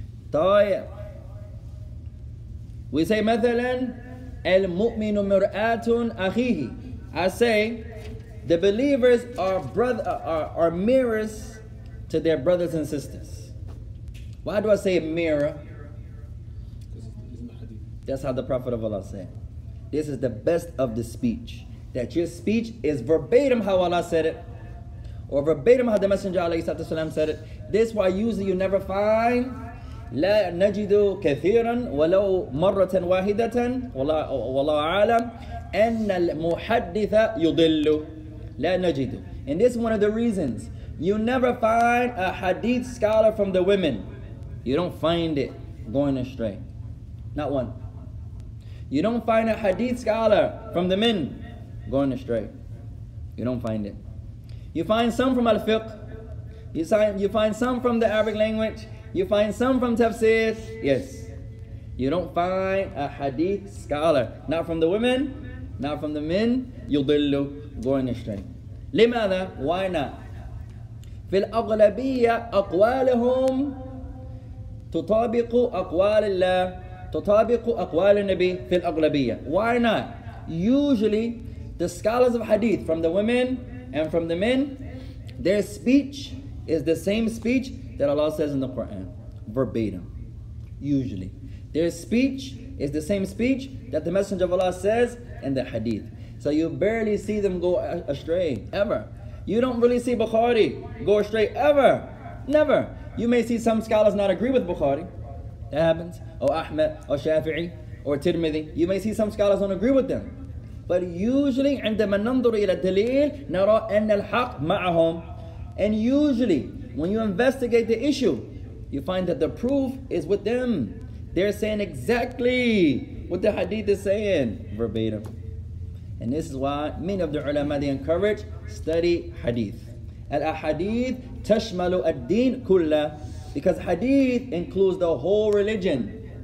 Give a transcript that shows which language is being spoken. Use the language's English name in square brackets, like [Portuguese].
[English] طيب. We say, [Arabic] مثلاً المؤمن مرآةٌ أخيه. [English] I say, the believers are mirrors to their brothers and sisters. Why do I say mirror? That's how the Prophet of Allah said. This is the best of the speech. That your speech is verbatim how Allah said it, or verbatim how the Messenger of Allah said it. This why usually you never find [Arabic] لا نجد كثيرا ولو مرة واحدة والله أعلم أن المحدث يضل لا نجد. [English] And this is one of the reasons you never find a hadith scholar from the women. You don't find it going astray. Not one. You don't find a hadith scholar from the men going astray. You don't find it. You find some from al-fiqh. You find some from the Arabic language. You find some from tafsir, yes. You don't find a hadith scholar, not from the women, not from the men, yudillu, going astray. لماذا? Why not? [Arabic] في الأغلبية أقوالهم تطابق أقوال الله, تطابق أقوال النبي في الأغلبية. [English] Why not? Usually, the scholars of hadith, from the women and from the men, their speech is the same speech that Allah says in the Quran, verbatim, usually. Their speech is the same speech that the Messenger of Allah says in the hadith. So you barely see them go astray, ever. You don't really see Bukhari go astray, ever, never. You may see some scholars not agree with Bukhari, that happens, or Ahmed, or Shafi'i, or Tirmidhi. You may see some scholars don't agree with them. But usually, [Arabic] عندما ننظر إلى الدليل, نرى أن الحق معهم. [English] And usually, when you investigate the issue, you find that the proof is with them. They're saying exactly what the hadith is saying, verbatim. And this is why many of the ulama, they encourage, study hadith. [Arabic] Al-ahadith tashmalu ad-deen kulla. [English] Because hadith includes the whole religion.